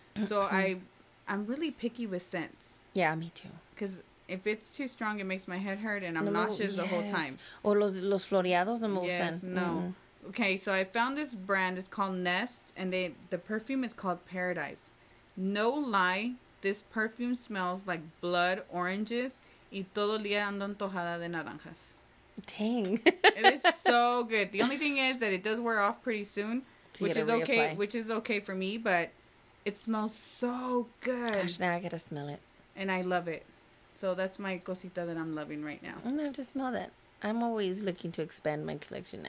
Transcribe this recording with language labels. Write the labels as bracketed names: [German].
[English] So I'm really picky with scents. Yeah, me too. Because if it's too strong, it makes my head hurt, and I'm nauseous the whole time. [Spanish] Or los floreados no me gustan. [English] Yes, no. Mm-hmm. Okay, so I found this brand. It's called Nest, and the perfume is called Paradise. No lie, this perfume smells like blood oranges. [Spanish] Y todo el día ando antojada de naranjas. [English] Dang. It is so good. The only thing is that it does wear off pretty soon, which is okay for me, but it smells so good. Gosh, now I gotta smell it. And I love it. So that's my cosita that I'm loving right now. I'm going to have to smell that. I'm always looking to expand my collection.